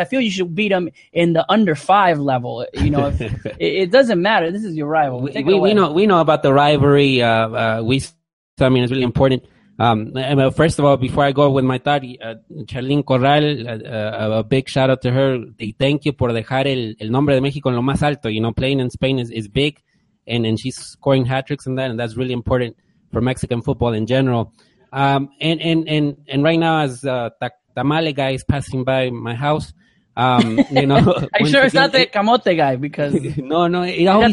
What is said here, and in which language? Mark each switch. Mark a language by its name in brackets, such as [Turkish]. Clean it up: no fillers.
[English] I feel you should beat them in the under five level. You know, it doesn't matter. This is your rival. We know about the rivalry. I mean, it's really important. First of all, before I go with my thought, Charlene Corral, a big shout out to her. Thank you [Spanish] por dejar el nombre de México en lo más alto. [English] You know, playing in Spain is big, and she's scoring hat tricks in that, and that's really important for Mexican football in general. And right now, as Tamale guy is passing by my house, you know, are you sure it's not the camote guy? Because no, it always